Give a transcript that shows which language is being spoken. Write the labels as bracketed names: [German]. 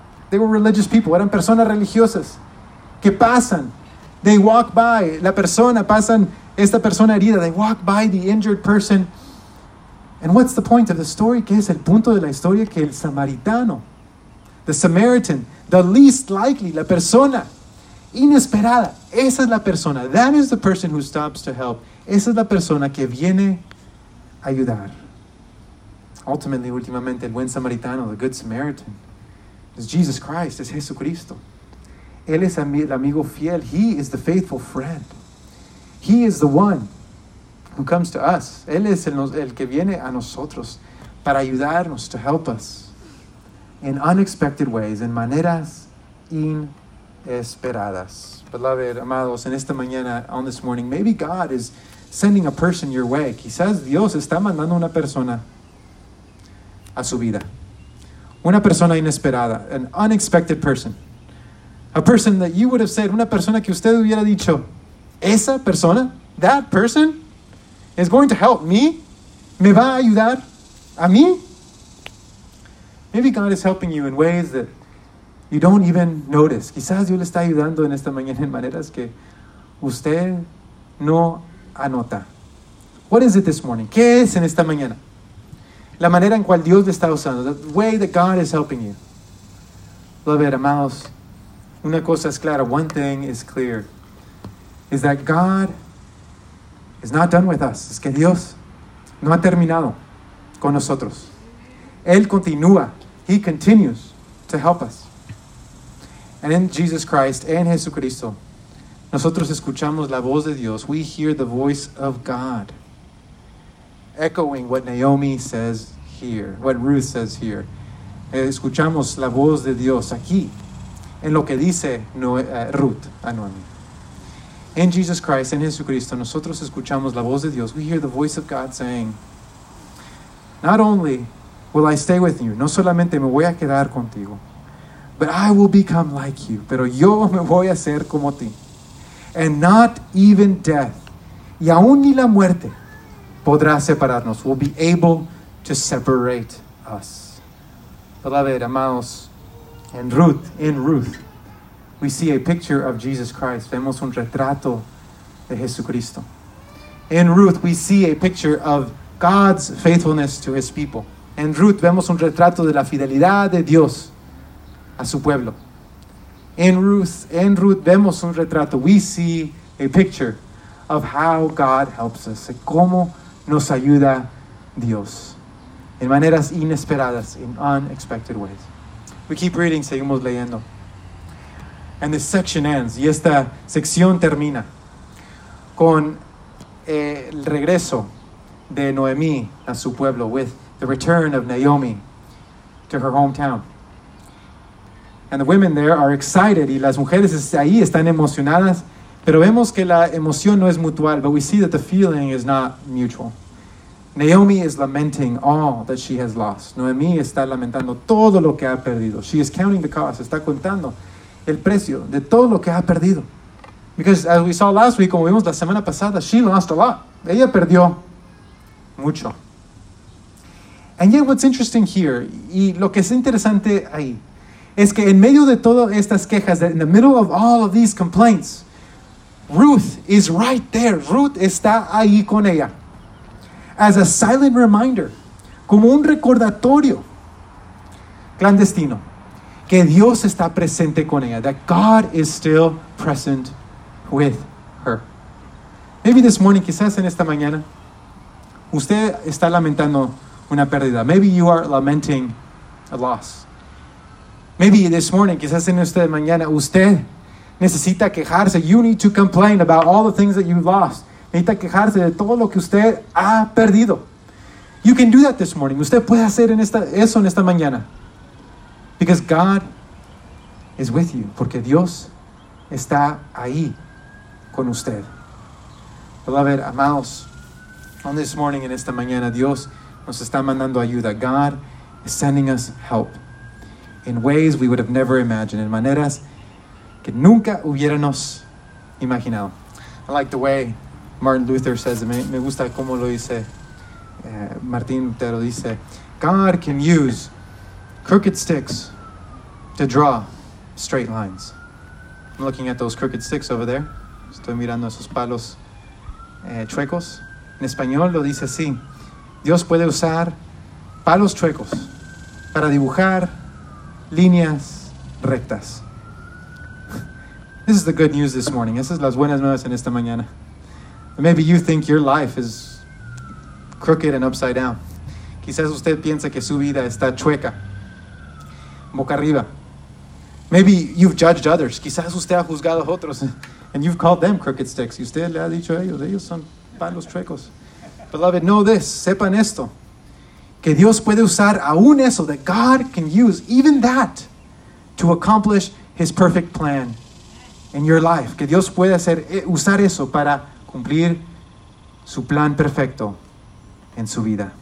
[English] They were religious people, [Spanish] eran personas religiosas que pasan, [English] they walk by [Spanish] la persona, pasan esta persona herida, [English] they walk by the injured person. And what's the point of the story? [Spanish] ¿Qué es el punto de la historia? Que el samaritano, [English] the Samaritan, the least likely, [Spanish] la persona inesperada. Esa es la persona. [English] That is the person who stops to help. [Spanish] Esa es la persona que viene a ayudar. [English] Ultimately, [Spanish] últimamente, el buen samaritano, [English] the good Samaritan, is Jesus Christ, [Spanish] es Jesucristo. Él es el amigo fiel. [English] He is the faithful friend. He is the one who comes to us. [Spanish] Él es el que viene a nosotros para ayudarnos, [English] to help us. In unexpected ways, [Spanish] en maneras inesperadas. [English] Beloved, [Spanish] amados, en esta mañana, [English] on this morning, maybe God is sending a person your way. [Spanish] Quizás Dios está mandando una persona a su vida. Una persona inesperada, [English] an unexpected person. A person that you would have said, [Spanish] una persona que usted hubiera dicho, esa persona, [English] that person is going to help me, [Spanish] me va a ayudar a mí. [English] Maybe God is helping you in ways that you don't even notice. [Spanish] Quizás Dios le está ayudando en esta mañana en maneras que usted no anota. [English] What is it this morning? [Spanish] ¿Qué es en esta mañana? La manera en cual Dios le está usando. [English] The way that God is helping you. Beloved, [Spanish] amados, una cosa es clara. [English] One thing is clear. Is that God is not done with us. [Spanish] Es que Dios no ha terminado con nosotros. Él continúa. [English] He continues to help us. And in Jesus Christ, [Spanish] en Jesucristo, Nosotros escuchamos la voz de Dios. [English] We hear the voice of God. Echoing what Naomi says here, what Ruth says here. [Spanish] Escuchamos la voz de Dios aquí, en lo que dice Ruth a Naomi. [English] In Jesus Christ, [Spanish] en Jesucristo, nosotros escuchamos la voz de Dios. [English] We hear the voice of God saying, not only will I stay with you, [Spanish] no solamente me voy a quedar contigo, [English] but I will become like you, [Spanish] pero yo me voy a ser como ti. [English] And not even death, [Spanish] y aún ni la muerte, podrá separarnos, [English] will be able to separate us. Beloved, [Spanish] amados, [English] in Ruth, we see a picture of Jesus Christ. [Spanish] Vemos un retrato de Jesucristo. [English] In Ruth, we see a picture of God's faithfulness to his people. [Spanish] In Ruth, vemos un retrato de la fidelidad de Dios a su pueblo. In Ruth, vemos un retrato. [English] We see a picture of how God helps us. [Spanish] Cómo nos ayuda Dios. En maneras inesperadas, [English] in unexpected ways. We keep reading, [Spanish] seguimos leyendo. [English] And this section ends, [Spanish] y esta sección termina con el regreso de Noemí a su pueblo, [English] with the return of Naomi to her hometown. And the women there are excited, [Spanish] y las mujeres ahí están emocionadas, pero vemos que la emoción no es mutual, [English] but we see that the feeling is not mutual. Naomi is lamenting all that she has lost. [Spanish] Noemí está lamentando todo lo que ha perdido. [English] She is counting the cost, [Spanish] está contando el precio de todo lo que ha perdido. [English] Because as we saw last week, [Spanish] como vimos la semana pasada, [English] she lost a lot. [Spanish] Ella perdió mucho. [English] And yet what's interesting here, [Spanish] y lo que es interesante ahí, es que en medio de todas estas quejas, [English] in the middle of all of these complaints, Ruth is right there. [Spanish] Ruth está ahí con ella. [English] As a silent reminder, [Spanish] como un recordatorio clandestino, que Dios está presente con ella, [English] that God is still present with her. Maybe this morning, [Spanish] quizás en esta mañana, usted está lamentando una pérdida. [English] Maybe you are lamenting a loss. Maybe this morning, [Spanish] quizás en esta mañana, usted necesita quejarse. [English] You need to complain about all the things that you've lost. [Spanish] Necesita quejarse de todo lo que usted ha perdido. [English] You can do that this morning. [Spanish] Usted puede hacer eso en esta mañana. [English] Because God is with you. [Spanish] Porque Dios está ahí con usted. [English] Beloved, [Spanish] amados, [English] on this morning, [Spanish] en esta mañana, Dios nos está mandando ayuda. [English] God is sending us help in ways we would have never imagined. [Spanish] En maneras que nunca hubiéramos imaginado. [English] I like the way Martin Luther says, [Spanish] me gusta como lo dice, Martin Lutero dice, [English] God can use crooked sticks to draw straight lines. I'm looking at those crooked sticks over there. [Spanish] Estoy mirando esos palos chuecos. En español lo dice así. Dios puede usar palos chuecos para dibujar líneas rectas. [English] This is the good news this morning. [Spanish] Esas son las buenas nuevas en esta mañana. [English] Maybe you think your life is crooked and upside down. [Spanish] Quizás usted piensa que su vida está chueca, boca arriba. [English] Maybe you've judged others. [Spanish] Quizás usted ha juzgado a otros. [English] And you've called them crooked sticks. [Spanish] Y usted le ha dicho a ellos, ellos son palos chuecos. [English] Beloved, know this. [Spanish] Sepan esto. Que Dios puede usar aún eso. [English] That God can use even that to accomplish his perfect plan in your life. [Spanish] Que Dios puede hacer, usar eso para cumplir su plan perfecto en su vida.